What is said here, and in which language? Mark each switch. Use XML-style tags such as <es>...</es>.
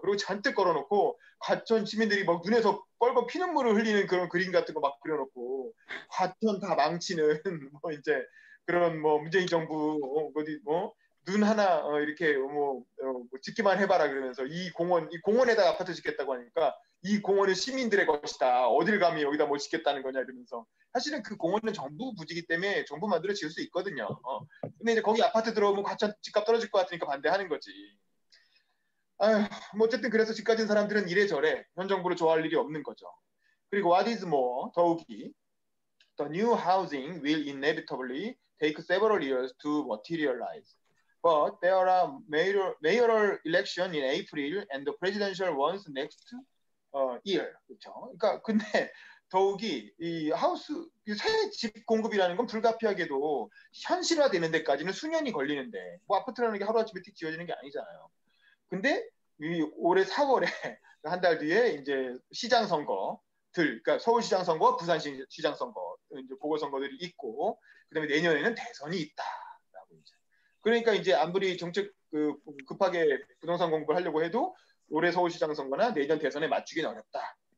<ko>그리고 잔뜩 걸어놓고 과천 시민들이 막 눈에서 뻘건 피눈물을 흘리는 그런 그림 같은 거 막 그려놓고 과천 다 망치는 뭐 이제 그런 뭐 문재인 정부 어디 뭐 눈 하나 이렇게 뭐 짓기만 해봐라 그러면서 이 공원 이 공원에다 아파트 짓겠다고 하니까 이 공원은 시민들의 것이다. 어딜 가면 여기다 뭐 짓겠다는 거냐 이러면서. 사실은 그 공원은 정부 부지기 때문에 정부 만들어 지을 수 있거든요. 근데 이제 거기 아파트 들어오면 과천 집값 떨어질 것 같으니까 반대하는 거지. 뭐 어쨌든 그래서 집 가진 사람들은 이래저래 현 정부를 좋아할 일이 없는 거죠. 그리고</ko> <en>what is more,</en> <ko>더욱이</ko> <en>the new housing will inevitably take several years to materialize. But there are mayoral election in April and the presidential ones next year.</en> <ko>그렇죠? 그러니까 근데 더욱이 이 하우스 새 집 공급이라는 건 불가피하게도 현실화 되는 데까지는 수년이 걸리는데 뭐 아파트라는 게 하루아침에 띡 지어지는 게 아니잖아요. 근데 이 올해 4월에 한 달 뒤에 이제 시장 선거들, 그러니까 서울시장 선거, 부산시장 선거 이제 보궐선거들이 있고 그다음에 내년에는 대선이 있다라고 이제 그러니까 이제 아무리 정책 그 급하게 부동산 공급을 하려고 해도 올해 서울시장 선거나 내년 대선에 맞추기는 어렵다.</ko>